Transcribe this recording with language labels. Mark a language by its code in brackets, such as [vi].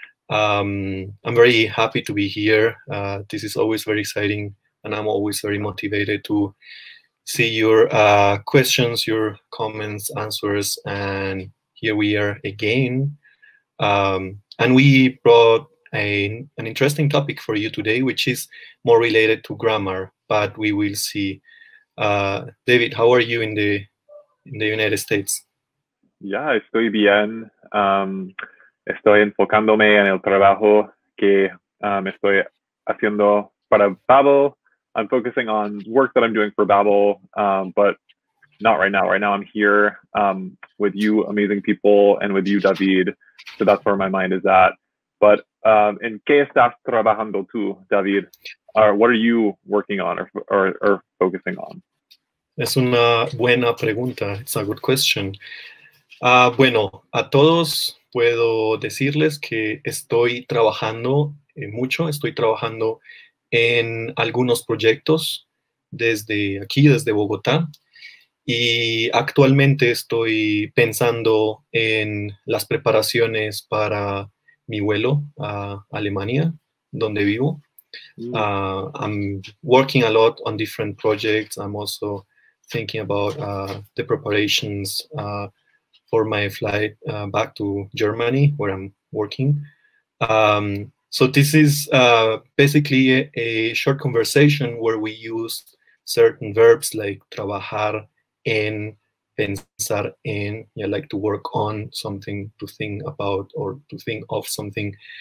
[en] I'm very happy to be here. This is always very exciting, and I'm always very motivated to see your questions, your comments, answers, and here we are again. And we brought an interesting topic for you today, which is more related to grammar, but we will see. David, how are you in the United States? [es] Yeah, estoy bien. Estoy enfocándome en el trabajo que estoy haciendo para Babbel. [en] I'm focusing on work that I'm doing for Babbel, but not right now. Right now I'm here with you amazing people and with you, David. So that's where my mind is at. But [es] ¿en qué estás trabajando tú, David? [en] What are you working on or focusing on? [es] Es una buena pregunta. [en] It's a good question. [es] Bueno, a todos puedo decirles que estoy trabajando mucho. Estoy trabajando en algunos proyectos desde aquí, desde Bogotá. Y actualmente estoy pensando en las preparaciones para mi vuelo a Alemania, donde vivo. [en] I'm working a lot on different projects. I'm also thinking about the preparations for my flight back to Germany, where I'm working. So this is basically a short conversation where we use certain verbs like trabajar en, pensar en, yeah, like to work on something, to think about or to think of something.